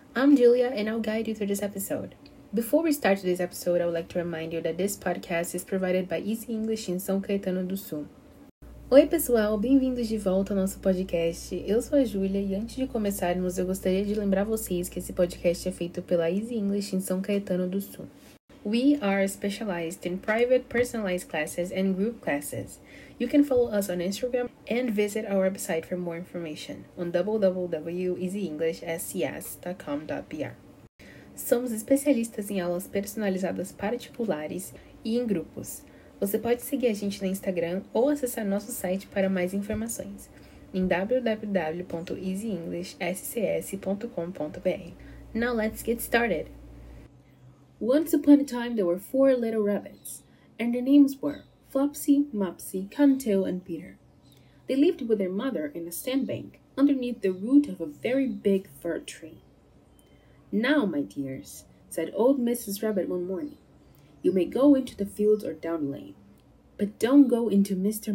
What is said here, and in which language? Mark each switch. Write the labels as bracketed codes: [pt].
[en] I'm Julia and I'll guide you through this episode. Before we start today's episode, I would like to remind you that this podcast is provided by Easy English in São Caetano do Sul. [pt] Oi pessoal, bem-vindos de volta ao nosso podcast. Eu sou a Julia e antes de começarmos, eu gostaria de lembrar vocês que esse podcast é feito pela Easy English em São Caetano do Sul. [en] We are specialized in private, personalized classes and group classes. You can follow us on Instagram and visit our website for more information on www.easyenglishscs.com.br. [pt] Somos especialistas em aulas personalizadas particulares e em grupos. Você pode seguir a gente no Instagram ou acessar nosso site para mais informações em www.easyenglishscs.com.br. [en] Now let's get started! Once upon a time, there were four little rabbits, and their names were Flopsy, Mopsy, Cottontail, and Peter. They lived with their mother in a sandbank underneath the root of a very big fir tree. "Now, my dears," said old Mrs. Rabbit one morning, "you may go into the fields or down lane, but don't go into Mr.